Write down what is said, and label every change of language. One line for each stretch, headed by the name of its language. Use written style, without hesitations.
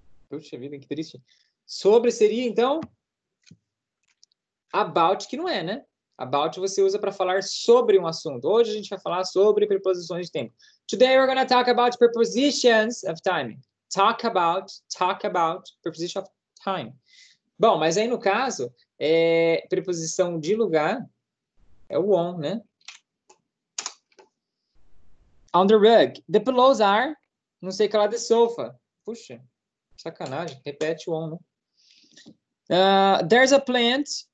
Portuguese: Puxa vida, que triste. Sobre seria, então, about, que não é, né? About você usa para falar sobre um assunto. Hoje a gente vai falar sobre preposições de tempo.
English: Today we're going to talk about prepositions of time. Talk about, preposition of time.
Portuguese: Bom, mas aí no caso, é preposição de lugar é o on, né?
English: On the rug. The pillows are,
Portuguese: não sei o que lá,
English: the sofa. Puxa.
Portuguese: Sacanagem, repete o on, né?
English: There's a plant.